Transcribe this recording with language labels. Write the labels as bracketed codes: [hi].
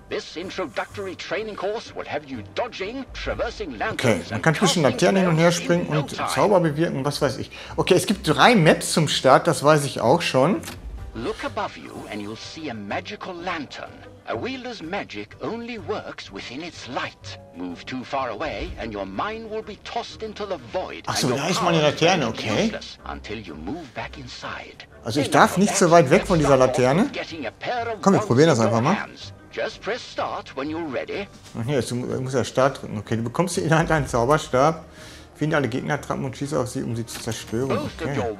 [en] This introductory training course will have you dodging, traversing lanterns. [de] Okay, man kann zwischen Laternen hin und her springen und Zauber bewirken, was weiß ich. Okay, es gibt 3 Maps zum Start, das weiß ich auch schon. [en] Look above you and you'll see a magical lantern. A wielder's magic only works within its light. Move too far away and your mind will be tossed into the void. [de] Ach so, da ist meine Laterne, okay. [en] Until you move back inside. [de] Also ich darf nicht so weit weg von dieser Laterne. Komm, wir probieren das einfach mal. [en] Just press start when you're ready. [de] Ach ja, du musst ja Start drücken. Okay, du bekommst hier in der Hand einen Zauberstab. Finde alle Gegner, trappen und schieße auf sie, um sie zu zerstören. Okay.